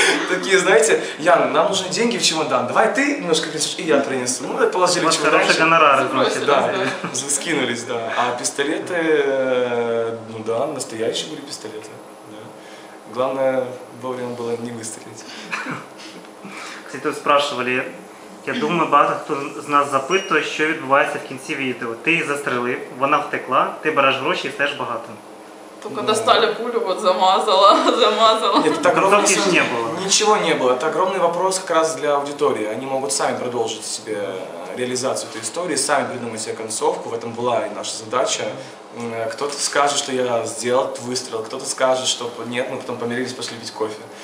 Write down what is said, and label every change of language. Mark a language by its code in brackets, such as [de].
[ru] Такие, знаете, Ян, нам нужны деньги в чемодан. Давай ты немножко принесешь, и я принесу. Ну, положили чемодан. Хорошие гонорары, значит. Да, скинулись, да. А пистолеты, ну да, настоящие были пистолеты. Главное, вовремя было не выстрелить. Кстати, тут спрашивали, я думаю, [uk] багато хто з нас запитує, що відбувається в кінці відео. Ти застрелив, вона втекла, ти береш гроші і стаєш багатим. [ru] Только достали пулю, вот замазала, замазала. Нет, это огромный вопрос. Ничего не было. Это огромный вопрос как раз для аудитории. Они могут сами продолжить себе реализацию этой истории, сами придумать себе концовку. В этом была и наша задача. Кто-то скажет, что я сделал выстрел. Кто-то скажет, что нет, мы потом помирились, пошли пить кофе.